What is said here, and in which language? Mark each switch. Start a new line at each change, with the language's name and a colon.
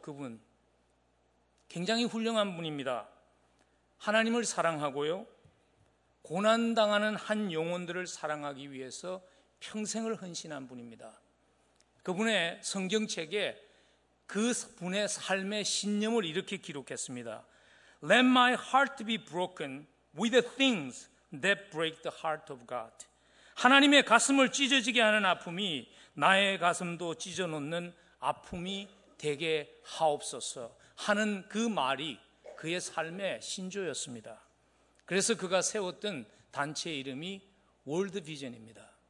Korean: 그분 굉장히 훌륭한 분입니다. 하나님을 사랑하고요, 고난당하는 한 영혼들을 사랑하기 위해서 평생을 헌신한 분입니다. 그분의 성경책에 그분의 삶의 신념을 이렇게 기록했습니다.
English: Let my heart be broken with the things that break the heart of God.
Korean: 하나님의 가슴을 찢어지게 하는 아픔이 나의 가슴도 찢어놓는 아픔이 되게 하옵소서 하는 그 말이 그의 삶의 신조였습니다. 그래서 그가 세웠던 단체 이름이 월드비전입니다.